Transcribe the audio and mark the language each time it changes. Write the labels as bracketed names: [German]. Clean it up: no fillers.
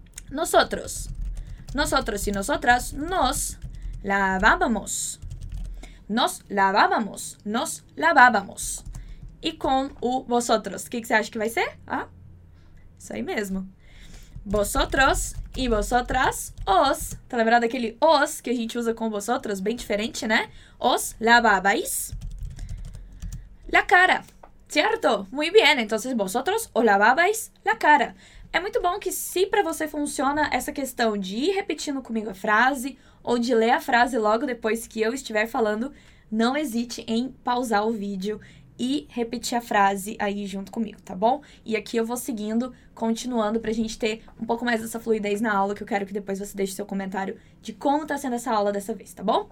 [Spanish] Nosotros, nosotros y nosotras, nos lavábamos. Nos lavábamos, nos lavábamos. [Portuguese] E com o vosotros, o que você acha que vai ser? Ah, isso aí mesmo. Vosotros e vosotras, os. Tá lembrado daquele os que a gente usa com vosotros? Bem diferente, né? [Spanish] Os lavabais la cara, [Portuguese] certo? [Spanish] Muy bien, entonces vosotros os lavabais la cara. [Portuguese] É muito bom que se para você funciona essa questão de ir repetindo comigo a frase ou de ler a frase logo depois que eu estiver falando, não hesite em pausar o vídeo e repetir a frase aí junto comigo, tá bom? E aqui eu vou seguindo, continuando, pra gente ter um pouco mais dessa fluidez na aula, que eu quero que depois você deixe seu comentário de como tá sendo essa aula dessa vez, tá bom?